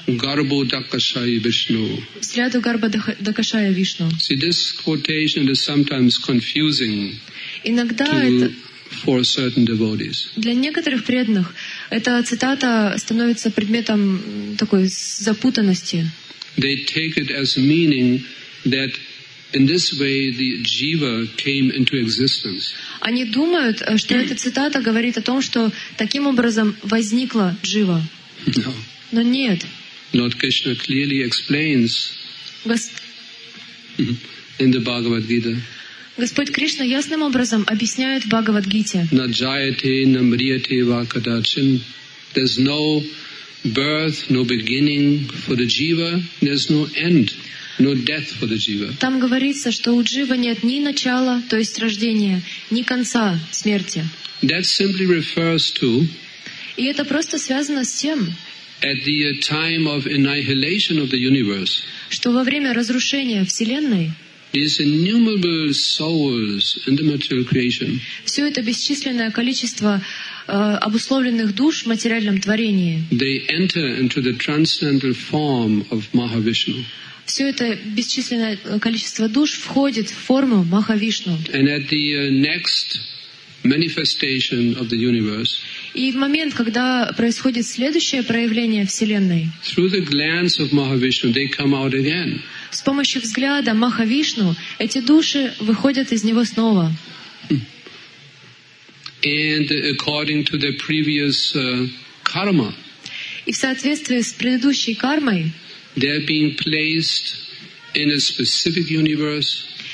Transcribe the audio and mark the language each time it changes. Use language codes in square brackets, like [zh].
[sa] Garbo Dakshaya Vishnu. [ru] Взгляду Garbo Dakshaya Vishnu. [en] See, this quotation is sometimes confusing. [ru] Иногда [en] for certain devotees. [ru] Для некоторых преданных эта цитата становится предметом такой запутанности. [en] They take it as meaning that in this way the jiva came into existence. [ru] Они думают, что эта цитата говорит о том, что таким образом возникла джива. [en] No. [ru] Но нет. [en] Lord Krishna clearly explains in the Bhagavad Gita. [ru] Господь Кришна ясным образом объясняет в Бхагавад-гите. [sa] На джаяте, на мрияте, ва кадачин. [en] There's no birth, no beginning for the jiva. There's no end, no death for the jiva. [ru] Там говорится, что у джива нет ни начала, то есть рождения, ни конца смерти. [en] That simply refers to. [ru] И это просто связано с тем. [en] At the time of annihilation of the universe. [ru] Что во время разрушения вселенной. [en] These innumerable souls in the material creation. [ru] Все это бесчисленное количество обусловленных душ в материальном творении. [en] They enter into the transcendental form of Mahavishnu. [ru] Все это бесчисленное количество душ входит в форму Махавишну. [en] And at the next manifestation of the universe. [ru] И в момент, когда происходит следующее проявление вселенной. [en] Through the glands of Mahavishnu, they come out again. [ru] С помощью взгляда Махавишну эти души выходят из него снова. [en] And according to their previous karma. [ru] И в соответствии с предыдущей кармой. [en] They're being placed in a specific universe.